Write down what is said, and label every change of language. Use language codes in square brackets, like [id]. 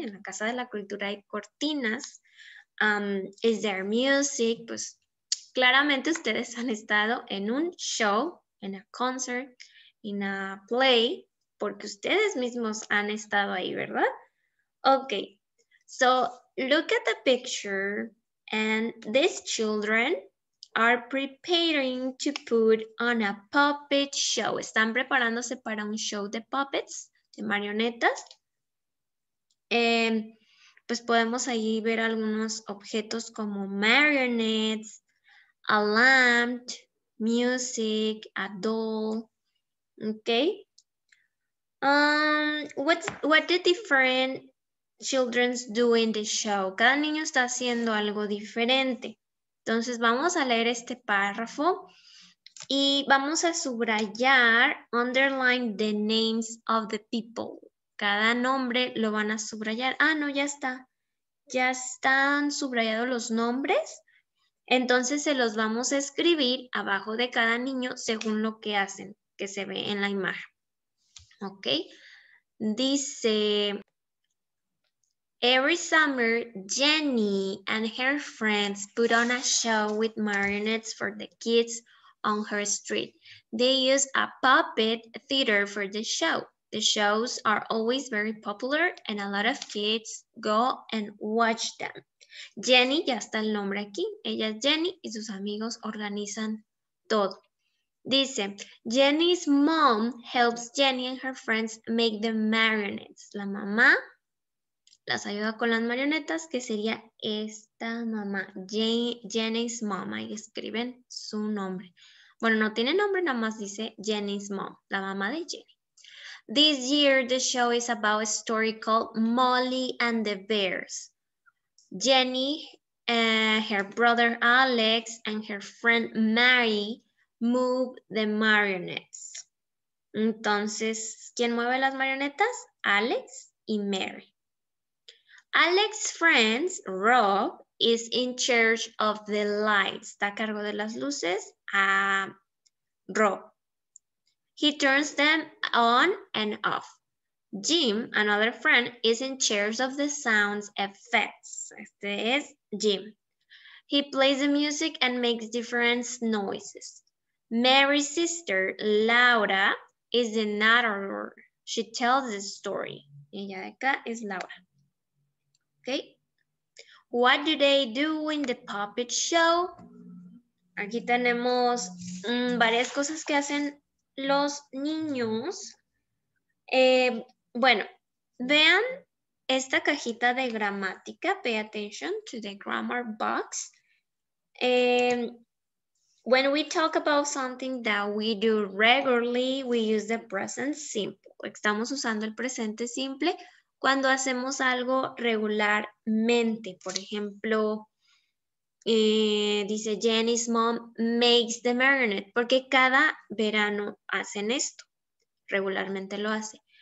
[es] En la Casa de la Cultura hay cortinas. [en] Is there music? [es] Pues claramente ustedes han estado en un show, en a concert, en a play, porque ustedes mismos han estado ahí, ¿verdad? [en] Okay, so look at the picture and these children are preparing to put on a puppet show. [es] Están preparándose para un show de puppets. De marionetas. Pues podemos ahí ver algunos objetos como marionettes, a lamp, music, a doll. Okay. [en] What the different children's do in the show? [es] Cada niño está haciendo algo diferente. Entonces vamos a leer este párrafo. Y vamos a subrayar, [en] underline the names of the people. [es] Cada nombre lo van a subrayar. Ah, no, ya está. Ya están subrayados los nombres. Entonces se los vamos a escribir abajo de cada niño según lo que hacen, que se ve en la imagen. [en] Ok. Dice, every summer, Jenny and her friends put on a show with marionettes for the kids on her street. They use a puppet theater for the show. The shows are always very popular and a lot of kids go and watch them. [es] Jenny, ya está el nombre aquí. Ella es Jenny y sus amigos organizan todo. [en] Dice, Jenny's mom helps Jenny and her friends make the marionettes. [es] La mamá las ayuda con las marionetas, que sería esta mamá, Jenny's mom. Ahí escriben su nombre. Bueno, no tiene nombre, nada más dice Jenny's mom, la mamá de Jenny. [en] This year, the show is about a story called Molly and the Bears. Jenny, her brother Alex, and her friend Mary move the marionettes. [es] Entonces, ¿quién mueve las marionetas? Alex y Mary. [en] Alex's friend, Rob, is in charge of the lights. [es] Está a cargo de las luces. Rob. [en] He turns them on and off. Jim, another friend, is in charge of the sound effects. [es] Este es Jim. [en] He plays the music and makes different noises. Mary's sister, Laura, is the narrator. She tells the story. [es] Ella de acá es Laura. Okay. [en] What do they do in the puppet show? [es] Aquí tenemos varias cosas que hacen los niños. Bueno, vean esta cajita de gramática. [en] Pay attention to the grammar box. When we talk about something that we do regularly, we use the present simple. [es] Estamos usando el presente simple cuando hacemos algo regularmente. Por ejemplo, dice [en] Jenny's mom makes the marionette, [es] porque cada verano hacen esto, regularmente lo hace.